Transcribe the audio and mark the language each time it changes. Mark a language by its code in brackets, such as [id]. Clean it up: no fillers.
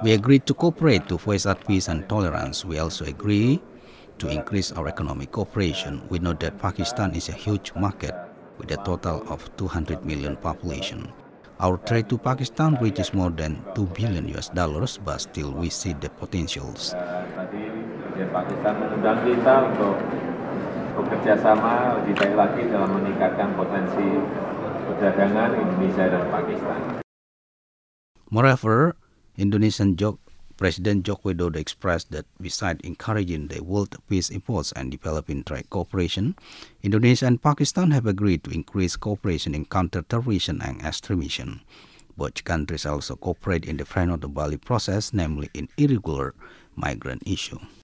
[en] we agreed to cooperate to voice out peace and tolerance. We also agree to increase our economic cooperation. We know that Pakistan is a huge market with a total of 200 million population. Our trade to Pakistan reaches more than $2 billion, but still we see the potentials. [id] Tadi Pakistan mengundang kita untuk bekerja sama lebih baik lagi dalam meningkatkan potensi perdagangan Indonesia dan Pakistan. [en] Moreover, Indonesian President Joko Widodo expressed that besides encouraging the world peace efforts and developing trade cooperation, Indonesia and Pakistan have agreed to increase cooperation in counter-terrorism and extremism. which countries also cooperate in the front of the Bali process, namely in irregular migrant issue.